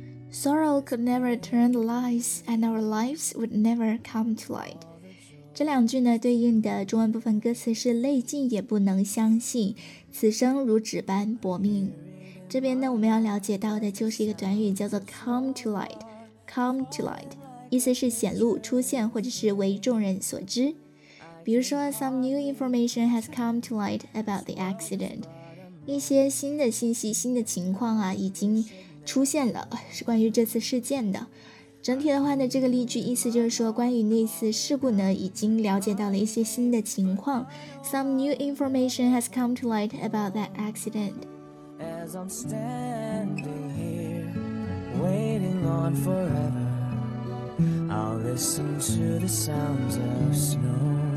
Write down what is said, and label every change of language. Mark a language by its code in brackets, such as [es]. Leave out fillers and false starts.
[en] Sorrow could never turn the lies, and our lives would never come to light. [zh] 这两句呢对应的中文部分歌词是泪尽也不能相信，此生如纸般薄命。这边呢我们要了解到的就是一个短语叫做 [en] come to light, come to light, [zh] 意思是显露、出现或者是为众人所知。 [en] 比如说 some new information has come to light about the accident. [zh] 一些新的信息、新的情况啊已经出现了，是关于这次事件的。整体的话呢，这个例句意思就是说，关于那次事故呢，已经了解到了一些新的情况。 [en] Some new information has come to light about that accident. As I'm standing here, waiting on forever, I'll listen to the sounds of snow.